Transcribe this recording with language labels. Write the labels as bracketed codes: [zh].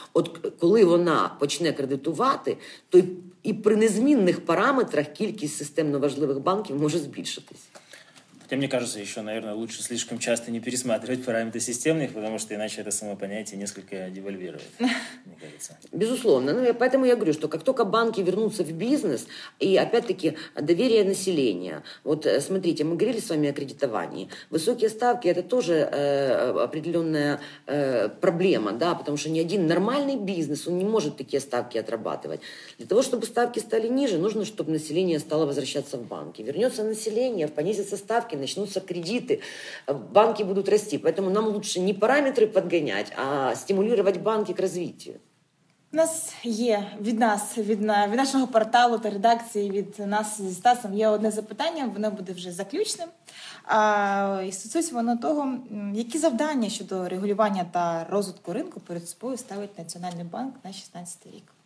[uk] От коли вона почне кредитувати, то і при незмінних параметрах кількість системно важливих банків може збільшитись. Хоча мені кажеться, що, мабуть, краще [ru] слишком часто [uk] не пересматривати параметри системних, тому що інакше це саме поняття [ru] несколько [uk] девальвирує. [ru] Безусловно. Ну, поэтому я говорю, что как только банки вернутся в бизнес, и опять-таки доверие населения. Вот смотрите, мы говорили с вами о кредитовании. Высокие ставки – это тоже определенная проблема, да, потому что ни один нормальный бизнес, он не может такие ставки отрабатывать. Для того, чтобы ставки стали ниже, нужно, чтобы население стало возвращаться в банки. Вернется население, понизятся ставки, начнутся кредиты, банки будут расти. Поэтому нам лучше не параметры подгонять, а стимулировать банки к развитию. [uk] У нас є від нашого порталу та редакції, від нас зі Стасом є одне запитання, воно буде вже заключним. І стосується воно того, які завдання щодо регулювання та розвитку ринку перед собою ставить Національний банк на 16-й рік?